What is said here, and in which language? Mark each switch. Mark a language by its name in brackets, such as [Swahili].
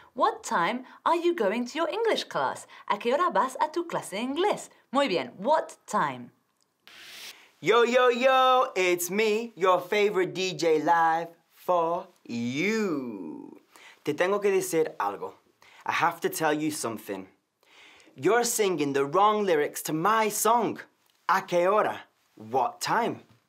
[English] What time are you going to your English class? [Spanish] ¿A qué hora vas a tu clase de inglés? Muy bien. [English] What time? Yo, yo, yo, it's me, your favorite DJ live for you. [Spanish] Te tengo que decir algo. [English] I have to tell you something. You're singing the wrong lyrics to my song. [Spanish] ¿A qué hora? [English] What time?